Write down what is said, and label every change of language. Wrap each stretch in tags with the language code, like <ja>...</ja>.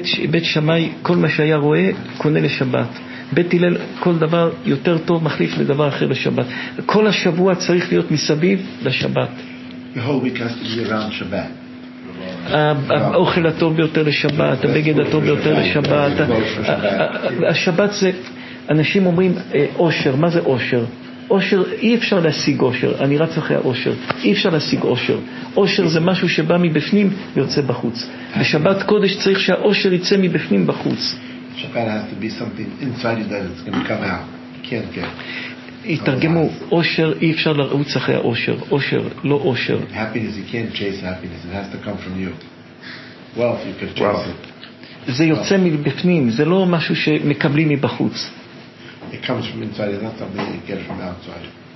<he>בית שמאי, כל מה שהיה רואה, קונה לשבת. בית הלל, כל דבר יותר טוב, מחליף לדבר אחר לשבת. כל השבוע צריך להיות מסביב לשבת.</he> <en>The whole week has to be around Shabbat.</en> <he>האוכל הטוב ביותר לשבת, הבגד הטוב ביותר לשבת. השבת זה, אנשים אומרים, אושר. מה זה אושר? אושר, אי אפשר להשיג אושר. אני רץ אחרי האושר. אי אפשר להשיג אושר. אושר זה משהו שבא מבפנים, יוצא בחוץ. בשבת קודש צריך שהאושר יצא מבפנים בחוץ.</he> <en>Shabbat has to be something inside you that it's going to come out. Can't get.</en> <he>יתרגמו, אושר, אי אפשר לרוץ אחרי האושר. אושר, לא אושר.</he> <en>Happiness, you can't chase happiness. It has to come from you. Wealth, you can chase it.</en> <he>זה יוצא מבפנים, זה לא משהו שמקבלים מבחוץ.</he> <en>It comes from inside, it's not something you get from outside.</en>